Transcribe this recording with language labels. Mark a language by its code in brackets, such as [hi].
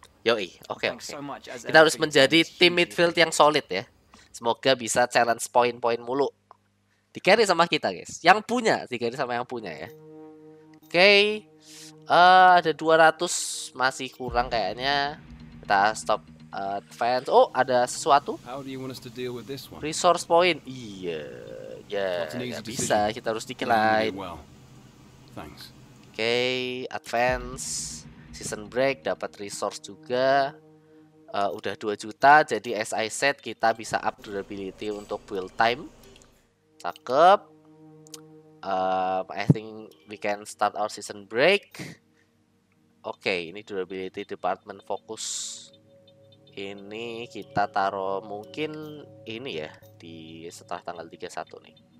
[id] Kita harus menjadi team midfield yang solid ya. Semoga bisa challenge poin-poin mulu. Di carry sama kita, guys. Yang punya, di carry sama yang punya ya. Oke. Ada 200 masih kurang kayaknya. Kita stop advance. Oh, ada sesuatu. [en] How do you want us to deal with this one? [id] Resource point. Iya, ya nggak bisa. Kita harus decline. Well. [en] Thanks. [id] Oke, okay, advance. Season break dapat resource juga. Udah 2 juta. Jadi as I said, kita bisa up durability untuk build time. Cakep. [en] I think we can start our season break. [id] Okay, ini durability department fokus. Ini kita taruh mungkin ini ya di setelah tanggal 31 nih.